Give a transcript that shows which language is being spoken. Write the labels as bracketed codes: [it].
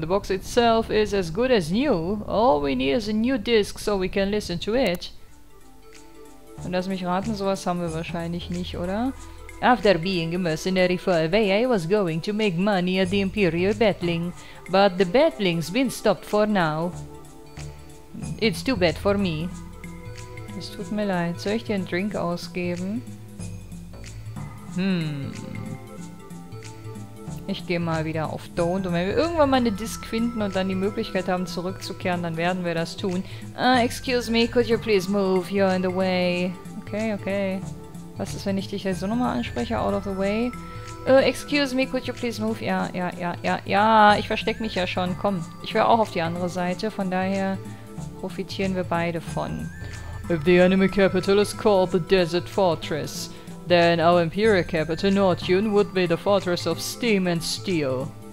[en] The box itself is as good as new. All we need is a new disc, so we can listen to it. [de] Und lass mich raten, sowas haben wir wahrscheinlich nicht, oder? [en] After being a mercenary for a way, I was going to make money at the Imperial Battling. But the battling's been stopped for now. It's too bad for me. [de] Es tut mir leid. Soll ich dir einen Drink ausgeben? Ich gehe mal wieder auf Don't. Und wenn wir irgendwann mal eine Disc finden und dann die Möglichkeit haben, zurückzukehren, dann werden wir das tun. [en] Excuse me, could you please move? You're in the way. Okay, okay. [de] Was ist, wenn ich dich jetzt so nochmal anspreche? [en] Out of the way. Excuse me, could you please move? [de] Ja, ja, ja, ja, ja. Ich verstecke mich ja schon. Komm, ich will auch auf die andere Seite. Von daher profitieren wir beide von. [en] If the enemy capital is called the Desert Fortress, then our Imperial capital, Nortun, would be the Fortress of Steam and Steel.